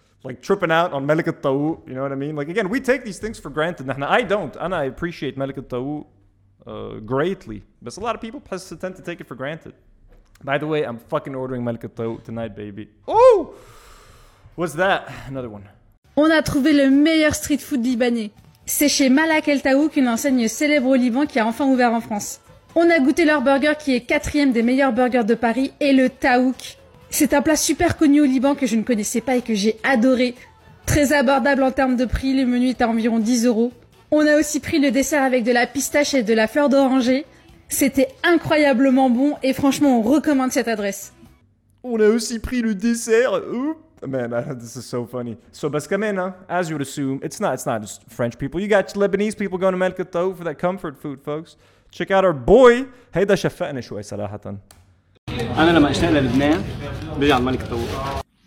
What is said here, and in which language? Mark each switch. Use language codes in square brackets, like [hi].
[en] Like, tripping out on Malek Taou, you know what I mean? Like, again, we take these things for granted. And I don't. And I appreciate Malek Taou greatly. But a lot of people tend to take it for granted. By the way, I'm fucking ordering Malek Taou tonight, baby. Ooh! What's that? Another one. [fr] On a trouvé le meilleur street food libanais. C'est chez Malek Taou, une enseigne célèbre au Liban qui a enfin ouvert en France. On a goûté leur burger qui est quatrième des meilleurs burgers de Paris, et le taouk. C'est un plat super connu au Liban que je ne connaissais pas et que j'ai adoré. Très abordable en termes de prix, le menu est à environ 10€. On a aussi pris le dessert avec de la pistache et de la fleur d'oranger. C'était incroyablement bon et franchement, on recommande cette adresse. On a aussi pris le dessert. [en] Oop. Man, this is so funny. So, basicamente, as you would assume, it's not just French people. You got Lebanese people going to Malek Taou for that comfort food, folks. Check out our boy. [ar] هيدا شفقني شوي صراحة. أنا لما أشتاق للبنان بيجي على ملك الطوق.